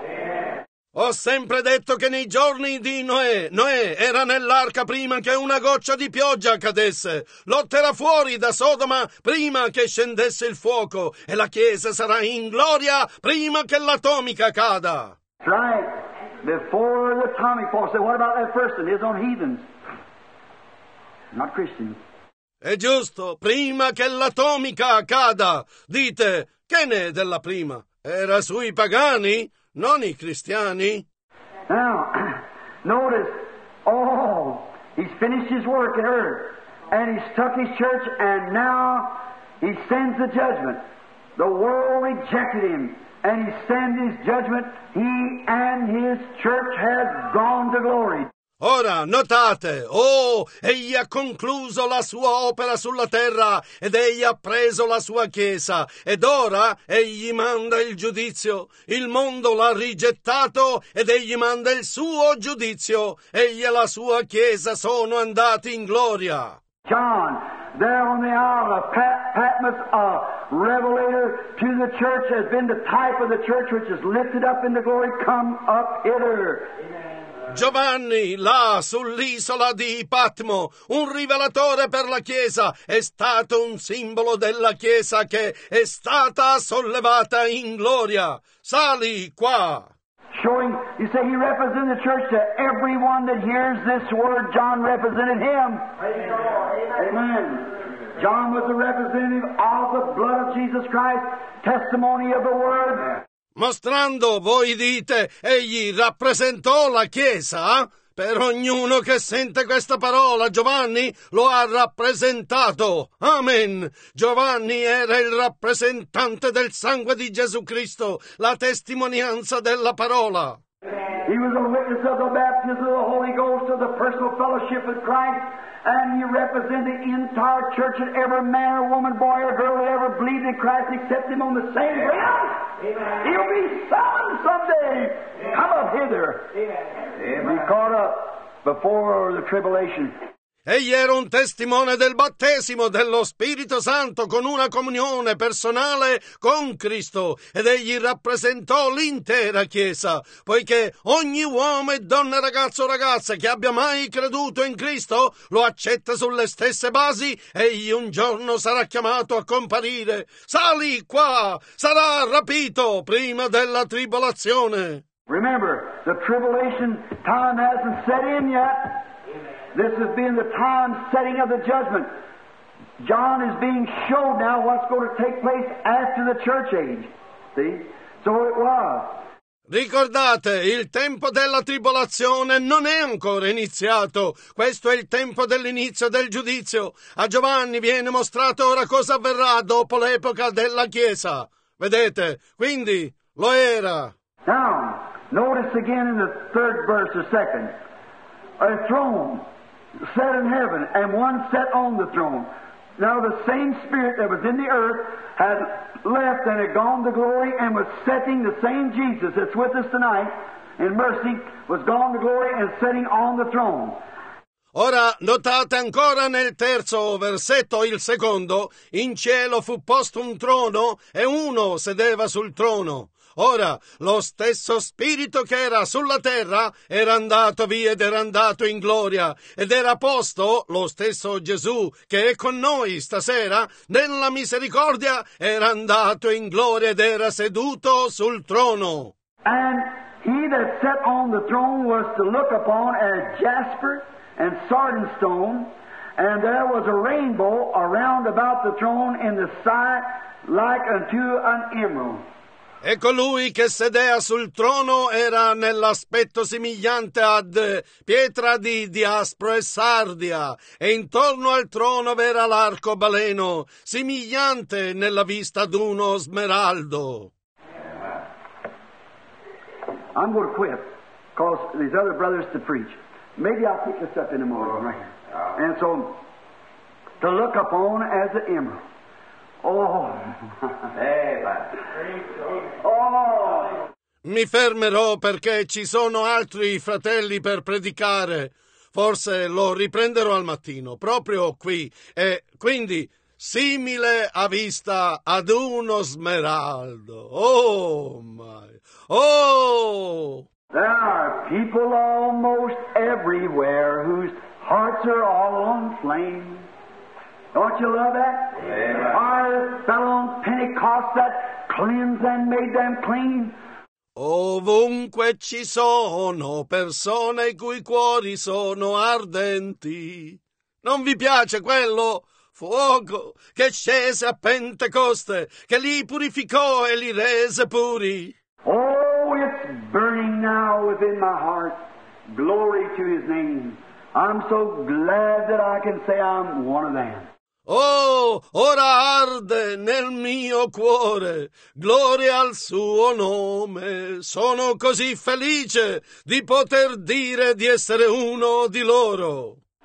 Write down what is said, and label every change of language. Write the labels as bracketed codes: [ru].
[en] Amen. [it] Ho sempre detto che nei giorni di Noè, Noè era nell'arca prima che una goccia di pioggia cadesse. Lot era fuori da Sodoma prima che scendesse il fuoco. E la Chiesa sarà in gloria prima che l'atomica cada. [en] Right. Before the atomic falls. What about that person? He's on heathens. Not Christians. [it] È giusto. Prima che l'atomica cada. Dite, che ne è della prima? Era sui pagani? Non i cristiani. [en] Now, notice, oh, he's finished his work in earth, and he's stuck his church, and now he sends the judgment. The world rejected him, and he sends his judgment, he and his church have gone to glory. [it] Ora, notate, oh, egli ha concluso la sua opera sulla terra ed egli ha preso la sua chiesa ed ora egli manda il giudizio. Il mondo l'ha rigettato ed egli manda il suo giudizio. Egli e la sua chiesa sono andati in gloria. [en] John, there on the Isle of Patmos, a revelator to the church has been the type of the church which is lifted up into glory. Come up hither. [it] Giovanni, là sull'isola di Patmo, un rivelatore per la Chiesa, è stato un simbolo della Chiesa che è stata sollevata in gloria. Sali qua. [en] Showing, you say he represents the church to everyone that hears this word. John represented him. Amen. John was the representative of the blood of Jesus Christ, testimony of the word. [it] Mostrando, voi dite, egli rappresentò la Chiesa? Per ognuno che sente questa parola, Giovanni lo ha rappresentato. Amen. Giovanni era il rappresentante del sangue di Gesù Cristo, la testimonianza della parola. [en] He was a witness of the baptism of the Holy Ghost, of the personal fellowship with Christ, and he represented the entire church and every man or woman, boy or girl that ever believed in Christ except him on the same ground. Amen. He'll be summoned someday. Amen. Come up hither. Amen. Be caught up before the tribulation. [it] Egli era un testimone del battesimo dello Spirito Santo con una comunione personale con Cristo ed egli rappresentò l'intera Chiesa, poiché ogni uomo e donna, ragazzo o ragazza che abbia mai creduto in Cristo lo accetta sulle stesse basi e egli un giorno sarà chiamato a comparire. Sali qua, sarà rapito prima della tribolazione. [en] Remember, the tribulation time hasn't set in yet. This has been the time setting of the judgment. John is being shown now what's going to take place after the church age. See? So it was. [it] Ricordate, il tempo della tribolazione non è ancora iniziato. Questo è il tempo dell'inizio del giudizio. A Giovanni viene mostrato ora cosa avverrà dopo l'epoca della Chiesa. Vedete? Quindi, lo era. [en] Now, notice again in the third verse or second. A throne set in heaven, and one set on the throne. Now the same Spirit that was in the earth had left and had gone to glory and was setting the same Jesus that's with us tonight in mercy, was gone to glory and setting on the throne. [it] Ora, notate ancora nel terzo versetto, il secondo, in cielo fu posto un trono e uno sedeva sul trono. Ora, lo stesso Spirito che era sulla terra era andato via ed era andato in gloria, ed era posto lo stesso Gesù che è con noi stasera, nella misericordia, era andato in gloria ed era seduto sul trono. [en] And he that sat on the throne was to look upon as jasper and sardine stone, and there was a rainbow around about the throne in the sight like unto an emerald. [it] E colui che sedea sul trono era nell'aspetto simigliante ad pietra di diaspro e sardia, e intorno al trono v'era l'arcobaleno, simigliante nella vista ad uno smeraldo. [en] I'm going to quit, cause these other brothers to preach. Maybe I'll pick this up in the morning. Right? And so, to look upon as an emerald. Oh. Hey, oh, [it] mi fermerò perché ci sono altri fratelli per predicare. Forse lo riprenderò al mattino, proprio qui. E quindi, simile a vista ad uno smeraldo. [en] Oh, my. Oh! There are people almost everywhere whose hearts are all on flame. Don't you love that? Amen. Our fellow on Pentecost that cleansed and made them clean. [it] Ovunque ci sono persone i cui cuori sono ardenti. Non vi piace quello? Fuoco che scese a Pentecoste, che li purificò e li rese puri. [en] Oh, it's burning now within my heart. Glory to his name. I'm so glad that I can say I'm one of them. [it] Oh, ora arde nel mio cuore, gloria al suo nome. Sono così felice di poter dire di essere uno di loro.